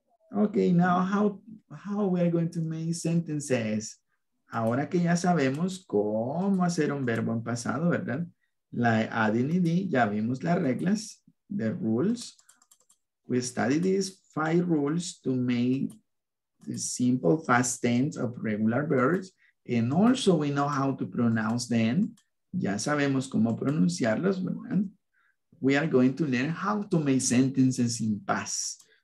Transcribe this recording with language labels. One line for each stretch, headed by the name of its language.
English: Okay, now how we are going to make sentences?
Spanish: Ahora que ya sabemos cómo hacer un verbo en pasado, ¿verdad?
English: Like adding ED,
Spanish: ya vimos las reglas,
English: the rules. We studied these 5 rules to make the simple past tense of regular verbs. And also we know how to pronounce them.
Spanish: Ya sabemos cómo pronunciarlos, ¿verdad?
English: We are going to learn how to make sentences in past.